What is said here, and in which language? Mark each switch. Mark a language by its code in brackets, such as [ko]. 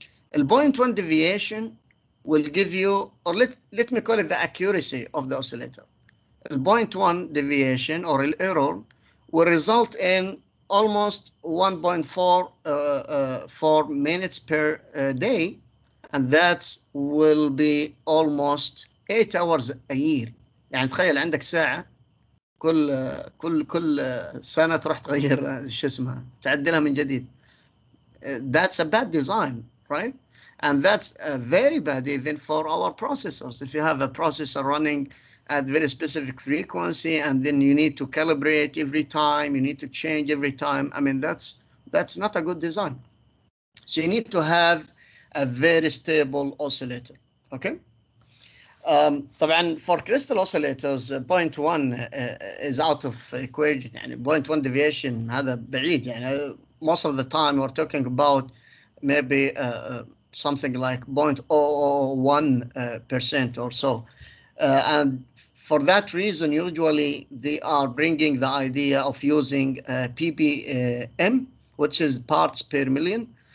[en] The 0.1 deviation will give you, or let me call it the accuracy of the oscillator. The 0.1 deviation or an error will result in almost 1.4 minutes per day, and that will be almost 8 hours a year. [ar] يعني تخيل عندك ساعة كل كل كل سنة تروح تغير شو اسمها تعدلها من جديد. [en] That's a bad design, right? And that's very bad even for our processors. If you have a processor running at very specific frequency and then you need to calibrate every time, you need to change every time, I mean, that's not a good design. So you need to have a very stable oscillator, okay? [ar] طبعاً [en] for crystal oscillators, 0.1 is out of equation. [ar] يعني 0.1 deviation, هذا بعيد. يعني [en] most of the time we're talking about maybe something like 0.001% or so. And for that reason, usually they are bringing the idea of using PPM, which is parts per million.